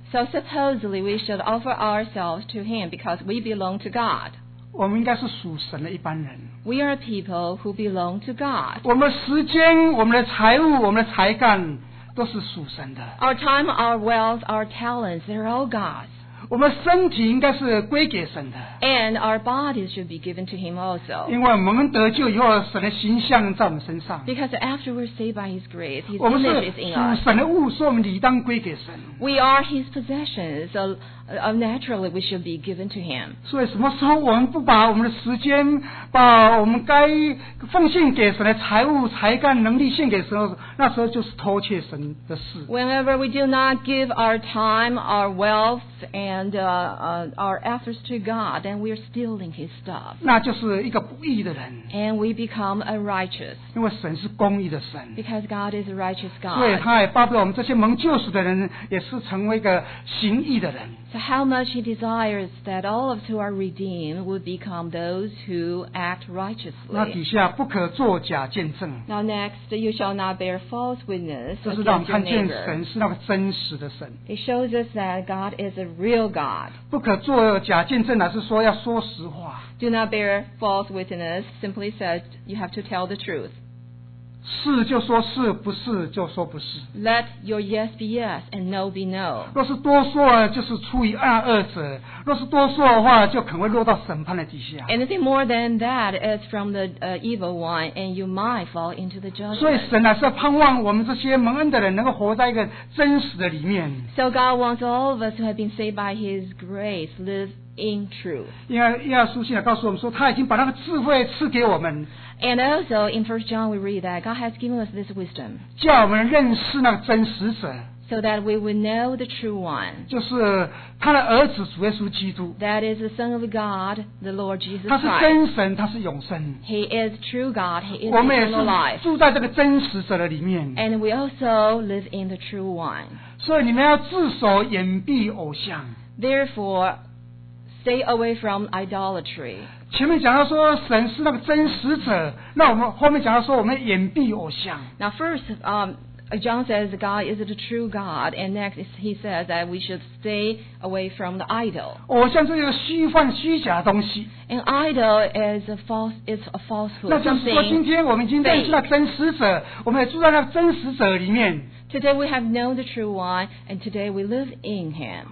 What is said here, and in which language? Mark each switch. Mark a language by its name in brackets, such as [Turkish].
[English] So supposedly we should offer ourselves to Him because we belong to God. [Chinese] 我们应该是属神的一般人。 [English] We are people who belong to God. [Chinese] 我们时间、我们的财物、我们的才干都是属神的。 [English] Our time, our wealth, our talents—they're all God's. [Chinese] 我们身体应该是归给神的。 [English] And our bodies should be given to Him also. [Chinese] 因为我们得救以后，神的形象在我们身上。 [English] Because after we're saved by His grace, His image is in us. [Chinese] 我们是属神的物，所以我们理当归给神。 [English] We are His possessions, so naturally we should be given to Him. [Chinese] 所以什么时候我们不把我们的时间，把我们该奉献给神的财物、才干、能力献给神，那时候就是偷窃神的事。 [English] Whenever we do not give our time, our wealth, and our efforts to God, then we are stealing His stuff. [Chinese] 那就是一个不义的人。 [English] And we become unrighteous. [Chinese] 因为神是公义的神。 [English] Because God is a righteous God. [Chinese] 所以他也巴不得我们这些蒙救赎的人。也是成为一个行义的人。 [English] So how much he desires that all of us who are redeemed would become those who act righteously. [Chinese] 那底下不可作假见证。 [English] Now next, you shall not bear false witness. [Chinese] 这是让我们看见神是那个真实的神。 [English] It shows us that God is a real God. [Chinese] 不可作假见证，乃是说要说实话。 [English] Do not bear false witness. Simply says you have to tell the truth. [Chinese] 是就说是，不是就说不是。 [English] Let your yes be yes and no be no. [Chinese] 若是多说，就是出于二恶者；若是多说的话，就可能会落到审判的底下。 [English] Anything more than that is from the evil one, and you might fall into the judgment. [Chinese] 所以神乃是盼望我们这些蒙恩的人能够活在一个真实的里面。 [English] So God wants all of us who have been saved by His grace live in truth. [Chinese] 因为耶稣信也告诉我们说，他已经把那个智慧赐给我们。 [English] And also in 1 John we read that God has given us this wisdom. [Chinese] 叫我们认识那真实者。 [English] So that we will know the true one. [Chinese] 就是他的儿子主耶稣基督。 [English] That is the Son of God, the Lord Jesus Christ. [Chinese] 他是真神，他是永生。 [English] He is true God. He is eternal life. [Chinese] 我们也是住在这个真实者的里面。 [English] And we also live in the true one. [Chinese] 所以你们要自守掩蔽偶像。 [English] Therefore, stay away from idolatry. [Chinese] 前面讲到说神是那个真实者，那我们后面讲到说我们掩蔽偶像。 [English] Now first, John says God is the true God, and next he says that we should stay away from the idol. [Chinese] 偶像是一个虚幻虚假的东西。 [English] An idol is a false, it's a falsehood. [Chinese] 那就是说，今天我们已经认识了真实者，我们也住在那个真实者里面。 [English] Today we have known the true one, and today we live in him.